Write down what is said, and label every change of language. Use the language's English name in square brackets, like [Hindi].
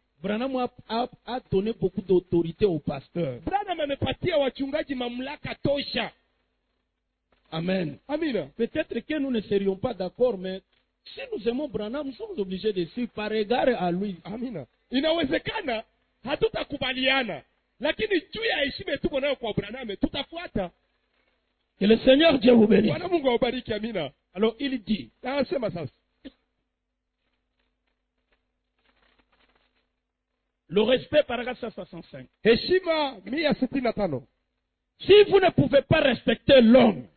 [French] Branham a donné beaucoup d'autorité au pasteur. [Swahili] Branham amepatia wachungaji mamlaka tosha. [French] Amen. [Swahili] Amina. [French] Peut-être que nous ne serions pas d'accord, mais si nous aimons Branham, nous sommes obligés de suivre par égard à lui. [Swahili] Amina. Inawezekana hatutakubaliana. Lakini juu ya heshima tuko nayo kwa Branham tutafuata. [French] Que le Seigneur Dieu vous bénisse. [Swahili] Bwana Mungu awabariki, amina. [French] Alors il dit. [Swahili] Anasema sasa. [French] Le respect paragraphe 165. [Swahili] Heshima 165. [French] Si vous ne pouvez pas respecter l'homme,